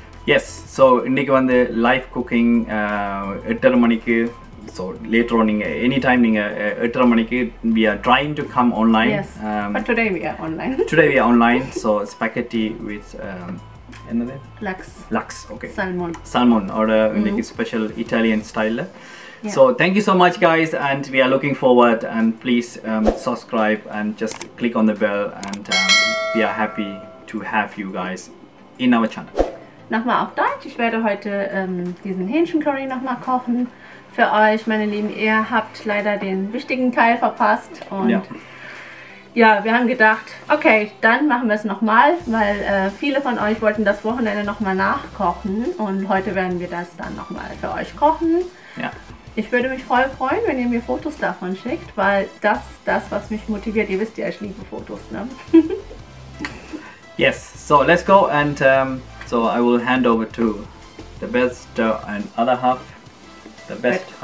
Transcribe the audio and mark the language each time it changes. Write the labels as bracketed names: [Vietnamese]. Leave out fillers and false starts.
[English] Yes, so [Tamil] இன்னைக்கு வந்து [English] live cooking 8:30 [Tamil] மணிக்கு [English] so லேட்டரோ [Tamil] நீங்கள் [English] any time நீங்கள் 8:30 மணிக்கு we are trying to come online today we are online so spaghetti with [Tamil] என்னது [German] லக்ஸ் [English] okay salmon [Tamil] சல்மோனோட இன்னைக்கு ஸ்பெஷல் இட்டாலியன் ஸ்டைலில் Yeah. [English] So thank you so much guys and we are looking forward and please subscribe and just click on the bell and we are happy to have you guys in our channel. [German] Nochmal auf Deutsch. Ich werde heute diesen Hähnchencurry nochmal kochen für euch, meine Lieben. Ihr habt leider den wichtigen Teil verpasst und ja wir haben gedacht, okay, dann machen wir es nochmal, weil viele von euch wollten das Wochenende nochmal nachkochen und heute werden wir das dann nochmal für euch kochen. Ja. Ich würde mich voll freuen, wenn ihr mir Fotos davon schickt, weil das ist das, was mich motiviert. Ihr wisst ja, ich liebe Fotos, ne? [English] Yes, so let's go and So I will hand over to the best and other half, the best half.